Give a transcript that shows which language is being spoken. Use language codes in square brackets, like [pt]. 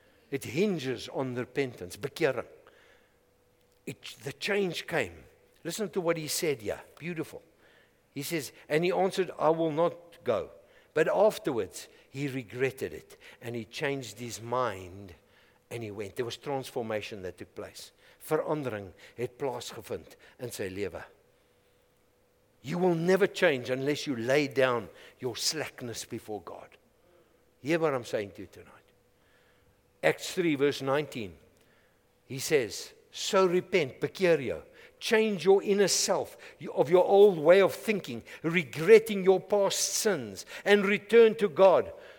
[en] It hinges on repentance. Bekering. The change came. Listen to what he said here. Beautiful. He says, and he answered, I will not go. But afterwards, he regretted it. And he changed his mind and he went. There was transformation that took place. [af] Verandering het plaasgevind in sy lewe. [en] You will never change unless you lay down your slackness before God. Hear what I'm saying to you tonight. Acts 3 verse 19. He says, so repent, [af] bekeer jou. [en] Change your inner self of your old way of thinking, regretting your past sins, and return to God.